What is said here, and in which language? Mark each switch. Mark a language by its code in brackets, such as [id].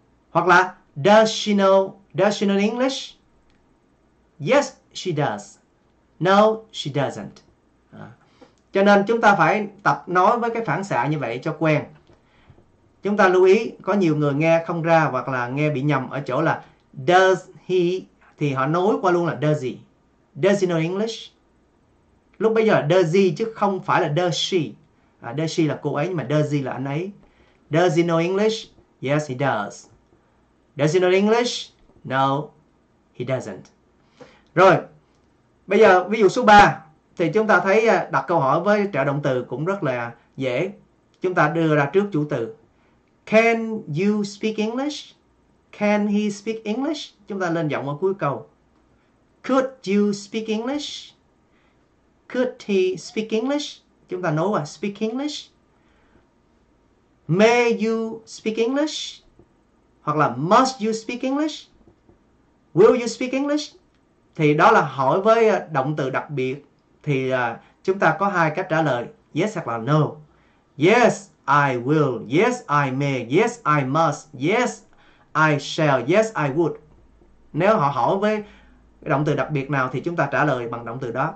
[vi] Hoặc là [en] does she know English? Yes, she does. No, she doesn't. À. [vi] Cho nên chúng ta phải tập nói với cái phản xạ như vậy cho quen. Chúng ta lưu ý, có nhiều người nghe không ra hoặc là nghe bị nhầm ở chỗ là does he, thì họ nối qua luôn là does he. [en] Does he know English? [vi] Lúc bây giờ là does he chứ không phải là does she. À, does she là cô ấy, nhưng mà does he là anh ấy. [en] Does he know English? Yes, he does. Does he know English? No, he doesn't. [vi] Rồi, bây giờ ví dụ số 3, thì chúng ta thấy đặt câu hỏi với trợ động từ cũng rất là dễ. Chúng ta đưa ra trước chủ từ. [en] Can you speak English? Can he speak English? [vi] Chúng ta lên giọng ở cuối câu. [en] Could you speak English? Could he speak English? [vi] Chúng ta nói là speak English. [en] May you speak English? [vi] Hoặc là [en] must you speak English? Will you speak English? [vi] Thì đó là hỏi với động từ đặc biệt. Thì chúng ta có hai cách trả lời. [en] Yes [vi] hoặc là [en] no. Yes, I will. Yes, I may. Yes, I must. Yes, I shall. Yes, I would. [vi] Nếu họ hỏi với động từ đặc biệt nào thì chúng ta trả lời bằng động từ đó.